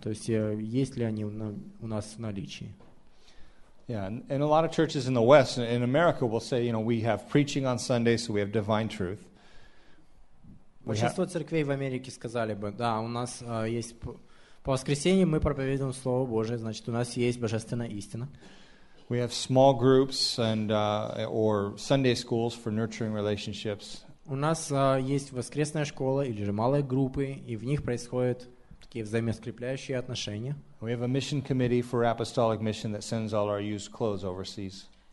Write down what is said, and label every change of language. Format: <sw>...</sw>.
<ru>То есть есть ли они у нас в наличии?</ru> <en>Yeah, and a lot of churches in the West, in America, will say, you know, we have preaching on Sunday, so we have divine truth.</en> <ru>Большинство церквей в Америке сказали бы, да, у нас есть по воскресеньям мы проповедуем Слово Божие, значит, у нас есть божественная истина.</ru> <en>We have small groups and or Sunday schools for nurturing relationships.</en> <ru>У нас есть воскресная школа или же малые группы, и в них происходят такие взаимоскрепляющие отношения.</ru> <en>We have a mission committee for apostolic mission that sends all our used clothes overseas.</en>